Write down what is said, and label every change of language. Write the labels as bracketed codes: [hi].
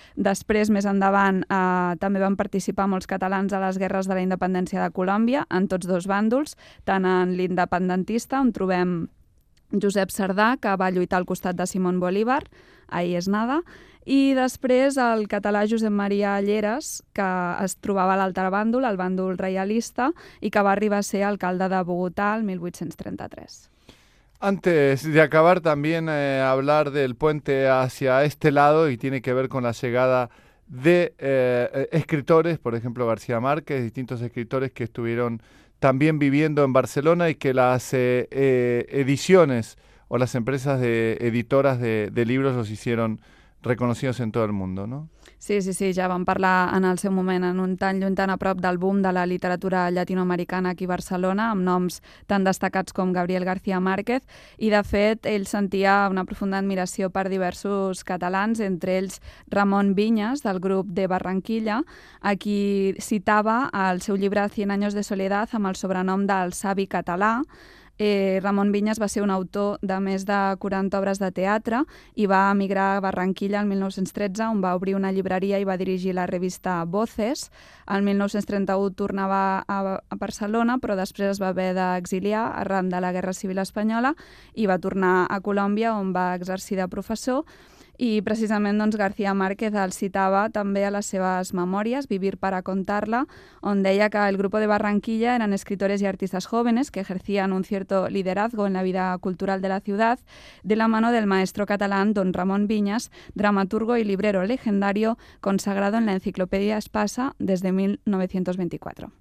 [ca] Després, més endavant, també van participar molts catalans a les guerres de la independència de Colòmbia, en tots dos bàndols, tant en l'independentista, on trobem Josep Cerdà, que va lluitar al costat de Simón Bolívar, [es] ahí es nada, [ca] i després el català Josep Maria Lleres, que es trobava a l'altre bàndol, el bàndol reialista, i que va arribar a ser alcalde de Bogotà el 1833. [es] Antes de acabar, también hablar del puente hacia este lado, y tiene que ver con la llegada de escritores, por ejemplo García Márquez, distintos escritores que estuvieron también viviendo en Barcelona y que las ediciones o las empresas de editoras de libros los hicieron reconocidos en todo el mundo, ¿no? [ca] Sí, sí, sí, ja vam parlar en el seu moment en un tan lluny, tan a prop del boom de la literatura llatinoamericana aquí a Barcelona, amb noms tan destacats com Gabriel García Márquez, i de fet ell sentia una profunda admiració per diversos catalans, entre ells Ramon Viñas, del grup de Barranquilla, a qui citava el seu llibre Cien Años de Soledad amb el sobrenom del savi català. Ramon Viñas va ser un autor de més de 40 obres de teatre i va emigrar a Barranquilla el 1913, on va obrir una llibreria i va dirigir la revista Voces. El 1931 tornava a Barcelona, però després es va haver d'exiliar arran de la Guerra Civil Espanyola i va tornar a Colòmbia, on va exercir de professor. I precisament doncs, García Márquez el citava també a les seves memòries, Vivir para contarla, on deia que [es] el grupo de Barranquilla eran escritores y artistas jóvenes que ejercían un cierto liderazgo en la vida cultural de la ciudad de la mano del maestro catalán don Ramón Viñas, dramaturgo y librero legendario consagrado en la enciclopedia Espasa desde 1924.